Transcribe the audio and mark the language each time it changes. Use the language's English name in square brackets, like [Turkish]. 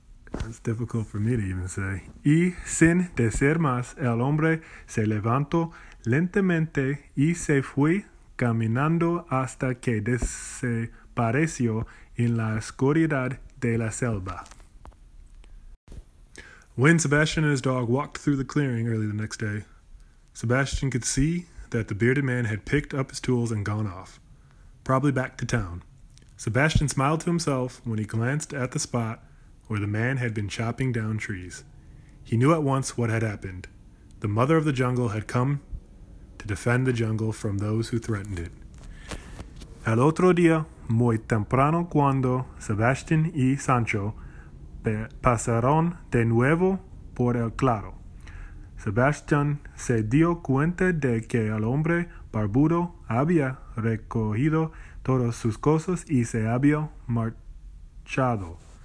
[English] That's difficult for me to even say. [Spanish] Y sin decir más, el hombre se levantó lentamente y se fue caminando hasta que desapareció en la oscuridad de la selva. [English] When Sebastian and his dog walked through the clearing early the next day, Sebastian could see that the bearded man had picked up his tools and gone off, probably back to town. Sebastian smiled to himself when he glanced at the spot where the man had been chopping down trees. He knew at once what had happened. The mother of the jungle had come to defend the jungle from those who threatened it. [Spanish] Al otro día, muy temprano, cuando Sebastian y Sancho pasaron de nuevo por el claro, Sebastian se dio cuenta de que el hombre barbudo había recogido todas sus cosas y se había marchado.